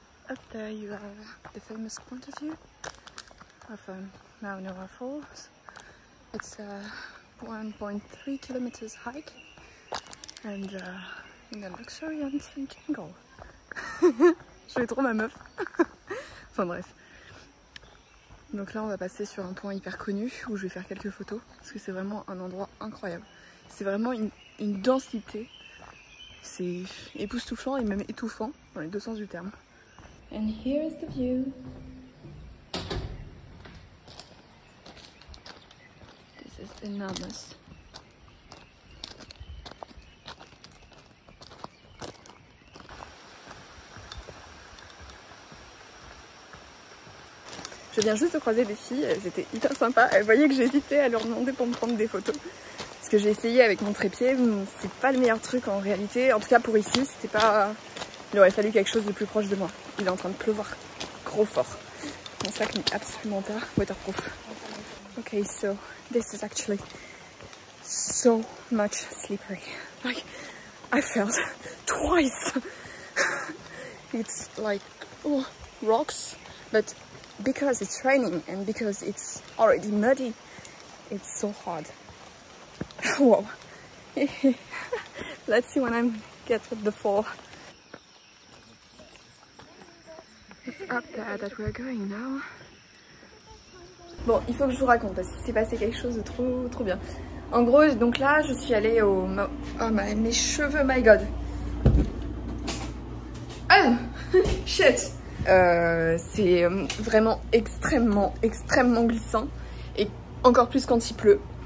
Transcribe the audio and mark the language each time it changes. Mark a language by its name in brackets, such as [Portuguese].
[English] Up there you have the famous point of view of Mount Niagara Falls. It's a 1.3 kilometers hike and in a luxuriant jungle. [French] Je vais trop ma meuf. Enfin bref. Donc là on va passer sur un point hyper connu où je vais faire quelques photos parce que c'est vraiment un endroit incroyable. C'est vraiment une densité. C'est époustouflant et même étouffant dans les deux sens du terme. [English] And here is the view. This is enormous. [French] Je viens juste de croiser des filles, elles étaient hyper sympas. Elles voyaient que j'hésitais à leur demander pour me prendre des photos. Parce que j'ai essayé avec mon trépied, c'est pas le meilleur truc en réalité. En tout cas pour ici, c'était pas. Il aurait fallu quelque chose de plus proche de moi. Il est en train de pleuvoir gros fort. Mon sac n'est absolument pas waterproof. [English] Ok, so this is actually so much slippery. Like, I fell twice. It's like, oh, rocks, but. Because it's raining and because it's already muddy, it's so hard. Whoa. Let's see when I get with the fall. It's up there that we're going now. [French] Bon, il faut que je vous raconte parce qu'il s'est passé quelque chose de trop trop bien. En gros, donc là, je suis allée au... Oh, mes cheveux, [English] my god. Ah, shit. [French] C'est vraiment extrêmement, extrêmement glissant et encore plus quand il pleut.